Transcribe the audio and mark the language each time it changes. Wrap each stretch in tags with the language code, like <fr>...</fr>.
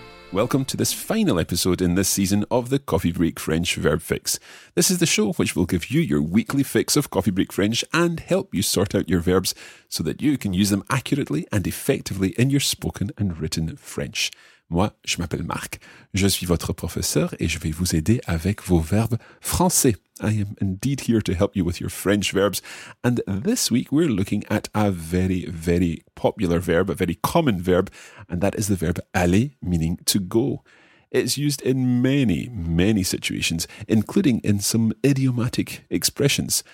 <en>Welcome to this final episode in this season of the Coffee Break French Verb Fix. This is the show which will give you your weekly fix of Coffee Break French and help you sort out your verbs so that you can use them accurately and effectively in your spoken and written French.</en> <fr>Moi, je m'appelle Marc. Je suis votre professeur et je vais vous aider avec vos verbes français.</fr> <en>I am indeed here to help you with your French verbs. And this week we're looking at a very, very popular verb, a very common verb, and that is the verb aller, meaning to go. It's used in many, many situations, including in some idiomatic expressions.</en>